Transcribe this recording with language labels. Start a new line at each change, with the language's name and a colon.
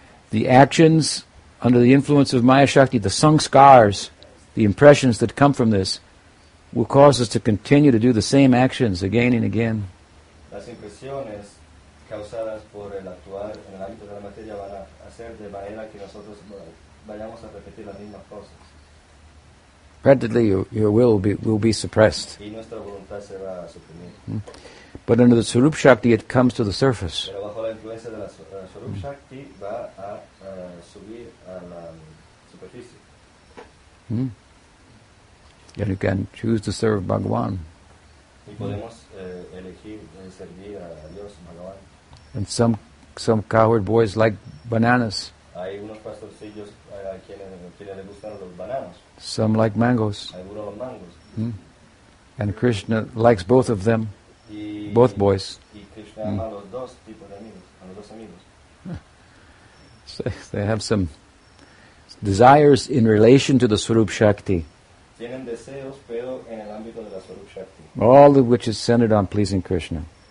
English: The actions under the influence of Maya Shakti, the sanskars, the impressions that come from this, will cause us to continue to do the same actions again and again.
Spanish: Las impresiones causadas por el actuar en el ámbito de la materia van a hacer de manera que nosotros vayamos a repetir las mismas cosas.
English: Practically, your will be suppressed.
Spanish: Y nuestra voluntad se va a suprimir.
English: But under the Swarup Shakti, it comes to the surface.
Spanish: Pero bajo la influencia de la Swarup Shakti, va a subir a la superficie.
English: And you can choose to serve Bhagavan.
Spanish: Y podemos elegir servir a Dios, Bhagavan.
English: And some coward boys like bananas.
Spanish: Hay unos pastorcillos a quienes les gustan los bananos.
English: Some like mangoes.
Spanish: Hay unos mangos.
English: And Krishna likes both of them, both boys.
Spanish: Y Krishna ama los dos tipos de amigos, a los dos amigos.
English: So they have some desires in relation to the Swarup Shakti.
Spanish: Tienen deseos, pero en el ámbito de la Swarup Shakti.
English: All of which is centered on pleasing Krishna.